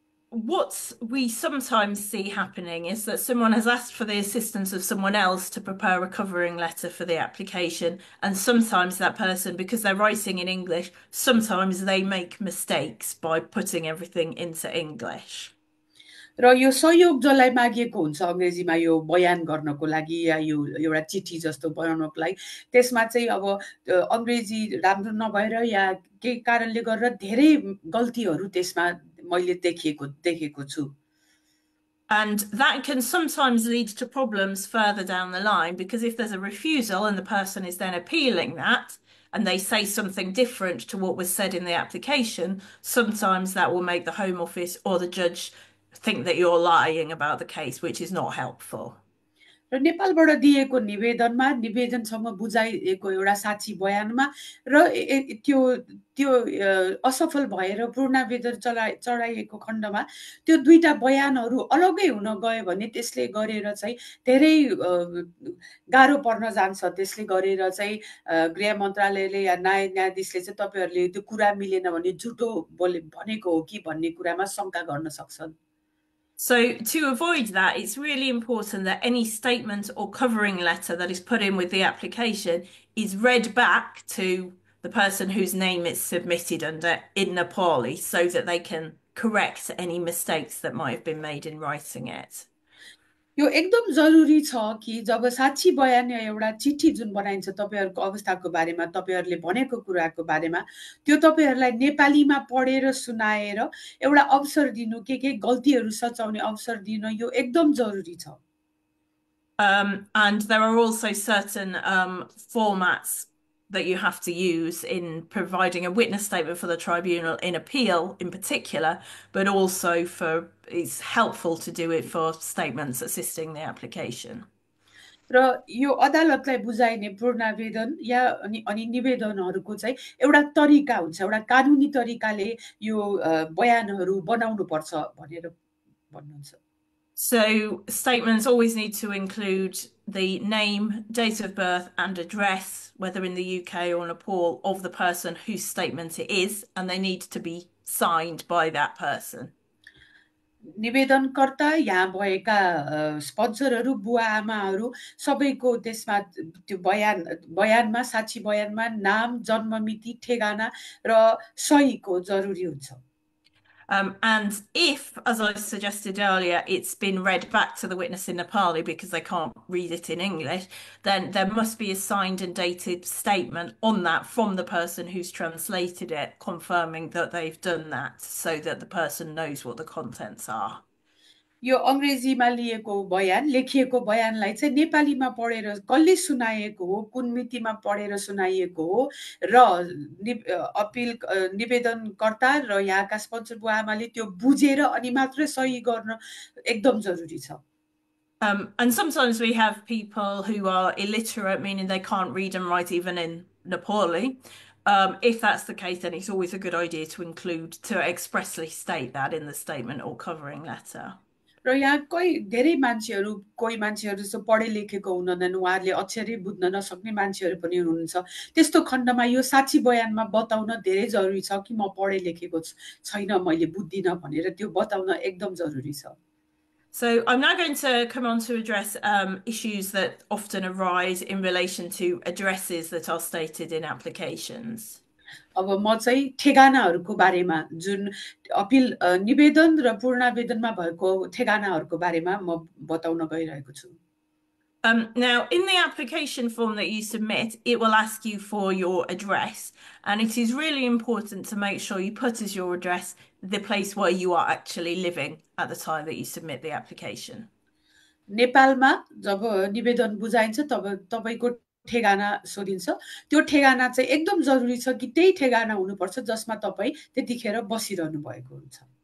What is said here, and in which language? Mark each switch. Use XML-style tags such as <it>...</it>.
<en>What we sometimes see happening is that someone has asked for the assistance of someone else to prepare a covering letter for the application, and sometimes that person, because they're writing in English, sometimes they make mistakes by putting everything into English.</en> <ne>र यो सहयोग जसलाई मागिएको हुन्छ अङ्ग्रेजीमा यो बयान गर्नको लागि या यो एउटा चिठी जस्तो बनाउनको लागि, त्यसमा चाहिँ अब अङ्ग्रेजी राम्रो नभएर या केही कारणले गरेर धेरै गल्तीहरू त्यसमा मैले देखेको छु.</ne> <en>And that can sometimes lead to problems further down the line because if there's a refusal and the person is then appealing that and they say something different to what was said in the application, sometimes that will make the Home Office or the judge think that you're lying about the case, which is not helpful.</en> <ne>र नेपालबाट दिएको निवेदनमा, निवेदनसँग बुझाइएको एउटा साक्षी बयानमा, र त्यो त्यो असफल भएर पूर्णावेदन चढाइएको खण्डमा त्यो दुईटा बयानहरू अलग्गै हुन गयो भने त्यसले गरेर चाहिँ धेरै गाह्रो पर्न जान्छ। त्यसले गरेर चाहिँ गृह मन्त्रालयले या न्यायाधीशले चाहिँ तपाईँहरूले त्यो कुरा मिलेन भने झुटो बोले भनेको हो कि भन्ने कुरामा शङ्का गर्न सक्छन्।</ne> <en>So to avoid that, it's really important that any statement or covering letter that is put in with the application is read back to the person whose name it's submitted under in Nepali so that they can correct any mistakes that might have been made in writing it.</en> <ne>यो एकदम जरुरी छ कि जब साक्षी बयान या एउटा चिठी जुन बनाइन्छ तपाईँहरूको अवस्थाको बारेमा, तपाईँहरूले भनेको कुराको बारेमा, त्यो तपाईँहरूलाई नेपालीमा पढेर सुनाएर एउटा अवसर दिनु, के गल्तीहरू सच्याउने अवसर दिनु, यो एकदम जरुरी छ।</ne> <en>And there are also certain formats that you have to use in providing a witness statement for the tribunal in appeal in particular, but also for it's helpful to do it for statements assisting the application.</en> <ne>र यो अदालतलाई बुझाइने पूर्णावेदन या अनि अनि निवेदनहरूको चाहिँ एउटा तरिका हुन्छ, एउटा कानुनी तरिकाले यो बयानहरू बनाउनु पर्छ भनेर भन्नुहुन्छ।</ne> <en>So statements always need to include the name, date of birth and address, whether in the UK or Nepal, of the person whose statement it is, and they need to be signed by that person.</en> <ne>निवेदनकर्ता, यहाँ भएका स्पन्सरहरू, बुवा आमाहरू सबैको त्यसमा त्यो बयान बयानमा साक्षी बयानमा नाम, जन्ममिति, ठेगाना र सहीको जरुरी हुन्छ।</ne> <en>And if, as I suggested earlier, it's been read back to the witness in Nepali because they can't read it in English, then there must be a signed and dated statement on that from the person who's translated it, confirming that they've done that so that the person knows what the contents are.</en> <ne>यो अङ्ग्रेजीमा लिएको बयान, लेखिएको बयानलाई चाहिँ नेपालीमा पढेर कसले सुनाइएको हो, कुन मितिमा पढेर सुनाइएको हो, र अपिल निवेदनकर्ता र यहाँका स्पन्सर बुवा आमाले त्यो बुझेर अनि मात्रै सही गर्न एकदम जरुरी छ।</ne> <en>And sometimes we have people who are illiterate, meaning they can't read and write even in Nepali. If that's the case, then it's always a good idea to include, to expressly state that in the statement or covering letter.</en> <ne>र यहाँ कोही धेरै मान्छेहरू, कोही मान्छेहरू जस्तो पढे लेखेको हुँदैनन्, उहाँहरूले अक्षरै बुझ्न नसक्ने मान्छेहरू पनि हुनुहुन्छ, त्यस्तो खण्डमा यो साक्षी बयानमा बताउन धेरै जरुरी छ कि म पढे लेखेको छैन, मैले बुझ्दिनँ भनेर त्यो बताउन एकदम जरुरी छ।</ne> <en>So I'm now going to come on to address issues that often arise in relation to addresses that are stated in applications.</en> <ne>अब म चाहिँ ठेगानाहरूको बारेमा, जुन अपिल निवेदन र पूर्णावेदनमा भएको ठेगानाहरूको बारेमा म बताउन गइरहेको छु।</ne> <en>Now, in the application form that you submit, it will ask you for your address, and it is really important to make sure you put as your address the place where you are actually living at the time that you submit the application.</en> <ne>नेपालमा जब निवेदन बुझाइन्छ तब तपाईँको ठेगाना सोधिन्छ, त्यो ठेगाना चाहिँ एकदम जरुरी छ कि त्यही ठेगाना हुनुपर्छ जसमा तपाईँ त्यतिखेर बसिरहनु भएको हुन्छ।</ne>